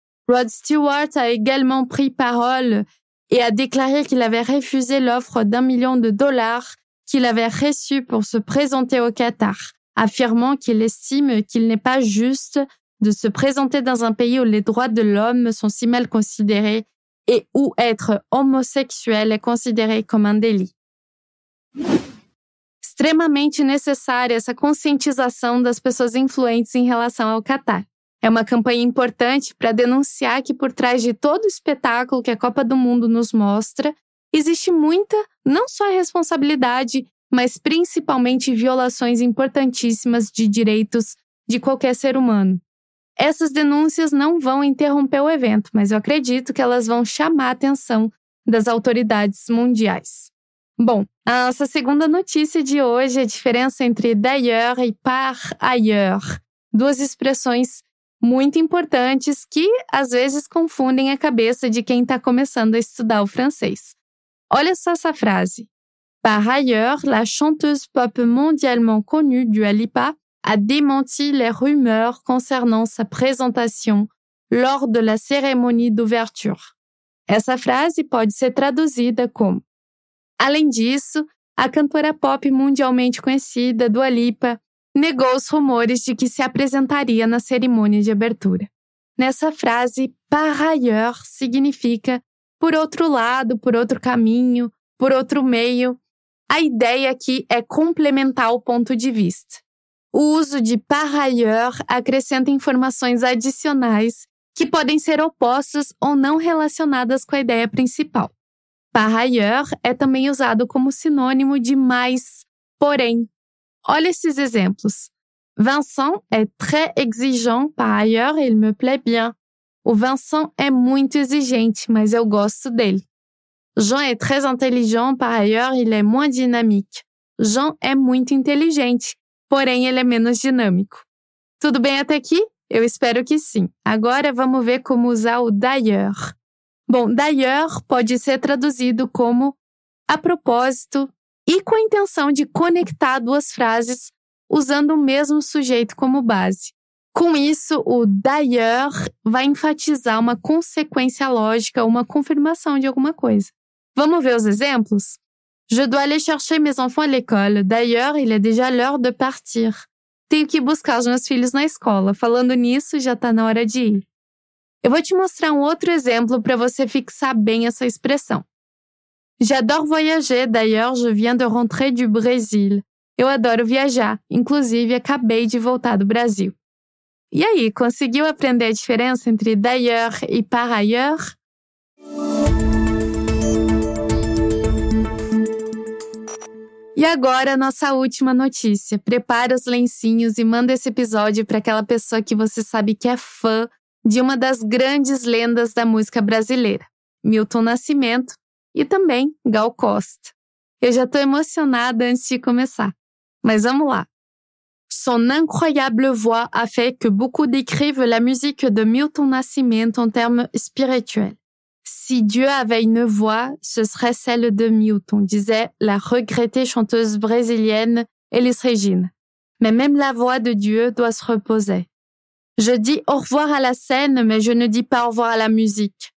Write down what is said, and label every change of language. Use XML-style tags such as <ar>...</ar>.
<fr>Rod Stewart a également pris parole et a déclaré qu'il avait refusé l'offre $1 million qu'il avait reçue pour se présenter au Qatar, affirmant qu'il estime qu'il n'est pas juste de se présenter dans un pays où les droits de l'homme sont si mal considérés et où être homosexuel est considéré comme un délit.</fr> <pt>Extremamente necessária essa conscientização das pessoas influentes em relação ao Qatar. É uma campanha importante para denunciar que por trás de todo o espetáculo que a Copa do Mundo nos mostra, existe muita, não só responsabilidade, mas principalmente violações importantíssimas de direitos de qualquer ser humano. Essas denúncias não vão interromper o evento, mas eu acredito que elas vão chamar a atenção das autoridades mundiais. Bom, a nossa segunda notícia de hoje é a diferença entre d'ailleurs e par ailleurs, duas expressões muito importantes que às vezes confundem a cabeça de quem está começando a estudar o francês. Olha só essa frase.</pt> <fr>Par ailleurs, la chanteuse pop mondialement connue Dua Lipa a démenti les rumeurs concernant sa présentation lors de la cérémonie d'ouverture.</fr> <pt>Essa frase pode ser traduzida como: além disso, a cantora pop mundialmente conhecida, Dua Lipa, negou os rumores de que se apresentaria na cerimônia de abertura. Nessa frase, par ailleurs significa por outro lado, por outro caminho, por outro meio. A ideia aqui é complementar o ponto de vista. O uso de par ailleurs acrescenta informações adicionais que podem ser opostas ou não relacionadas com a ideia principal. Par ailleurs é também usado como sinônimo de mais, porém. Olha esses exemplos.</pt> <fr>Vincent est très exigeant, par ailleurs, il me plaît bien.</fr> <pt>O Vincent é muito exigente, mas eu gosto dele.</pt> <fr>Jean est très intelligent, par ailleurs, il est moins dynamique.</fr> <pt>Jean é muito inteligente, porém ele é menos dinâmico. Tudo bem até aqui? Eu espero que sim. Agora vamos ver como usar o d'ailleurs. Bom, d'ailleurs pode ser traduzido como a propósito e com a intenção de conectar duas frases usando o mesmo sujeito como base. Com isso, o d'ailleurs vai enfatizar uma consequência lógica, uma confirmação de alguma coisa. Vamos ver os exemplos?</pt> <fr>Je dois aller chercher mes enfants à l'école. D'ailleurs, il est déjà l'heure de partir.</fr> <pt>Tenho que buscar os meus filhos na escola. Falando nisso, já está na hora de ir. Eu vou te mostrar um outro exemplo para você fixar bem essa expressão.</pt> <fr>J'adore voyager, d'ailleurs je viens de rentrer du Brésil.</fr> <pt>Eu adoro viajar, inclusive acabei de voltar do Brasil. E aí, conseguiu aprender a diferença entre d'ailleurs e par ailleurs? E agora, nossa última notícia. Prepara os lencinhos e manda esse episódio para aquela pessoa que você sabe que é fã de uma das grandes lendas da música brasileira, Milton Nascimento e também Gal Costa. Eu já estou emocionada antes de começar, mas vamos lá.</pt> <fr>Son incroyable voix a fait que beaucoup décrivent la musique de Milton Nascimento en termes spirituels. Si Dieu avait une voix, ce serait celle de Milton, disait la regrettée chanteuse brésilienne Elis Regina. Mais même la voix de Dieu doit se reposer. Je dis au revoir à la scène, mais je ne dis pas au revoir à la musique.</fr>